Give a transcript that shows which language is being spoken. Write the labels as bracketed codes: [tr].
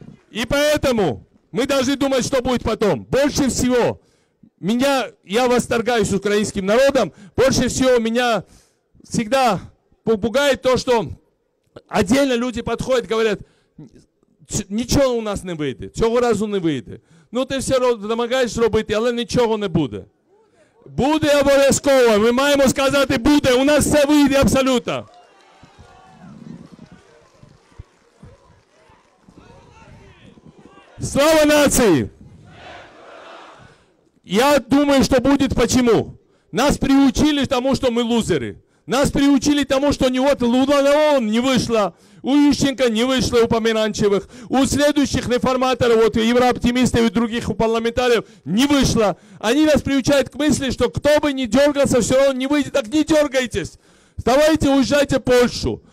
[ru] И поэтому мы должны думать, что будет потом. Больше всего меня, я восторгаюсь украинским народом, больше всего меня всегда пугает то, что отдельно люди подходят, говорят: ничего у нас не выйдет, [uk] цього разу [ru] не выйдет. Ну ты все домагаешься [uk] робити, але нічого не буде. Буде обов'язково, ми маємо сказати буде, у нас все вийде абсолютно. Слава нації! Я думаю, що буде, чому. Нас приучили тому, що ми лузери. [ru] Нас приучили тому, что не вот Луданова не вышла, у Ющенко не вышла, у Помиранчевых, у следующих реформаторов, вот у еврооптимистов и других, у парламентариев не вышла. Они нас приучают к мысли, что кто бы ни дергался, все равно не выйдет. Так не дергайтесь. Давайте уезжайте в Польшу.